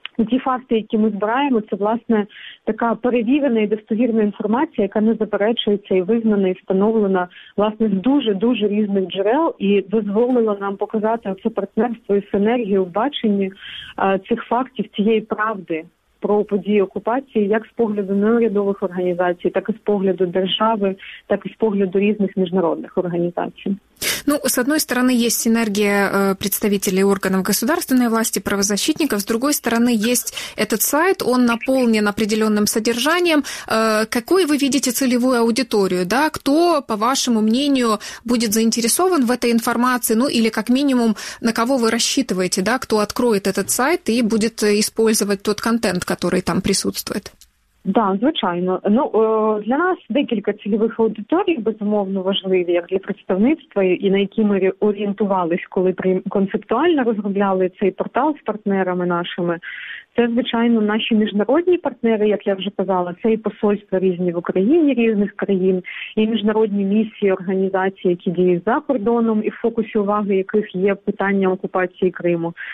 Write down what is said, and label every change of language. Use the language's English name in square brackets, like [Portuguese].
[Ukrainian] ті факти, які ми збираємо, це, власне, така перевірена і достовірна інформація, яка не заперечується і визнана, і встановлена, власне, з дуже-дуже різних джерел, і дозволила нам показати це партнерство і синергію в баченні цих фактів, цієї правди про події окупації, як з погляду неурядових організацій, так і з погляду держави, так і з погляду різних міжнародних організацій. [Russian] Ну, с одной стороны, есть синергия представителей органов государственной власти, правозащитников, с другой стороны, есть этот сайт, он наполнен определенным содержанием. Какой вы видите целевую аудиторию, да? Кто, по вашему мнению, будет заинтересован в этой информации, ну, или как минимум, на кого вы рассчитываете, да, кто откроет этот сайт и будет использовать тот контент, который там присутствует? [Ukrainian] Да, звичайно. Ну, для нас декілька цільових аудиторій, безумовно, важливі, як для представництва, і на які ми орієнтувались, коли концептуально розробляли цей портал з партнерами нашими. Це, звичайно, наші міжнародні партнери, як я вже казала, це і посольства різні в Україні, різних країн, і міжнародні місії, організації, які діють за кордоном, і в фокусі уваги яких є питання окупації Криму.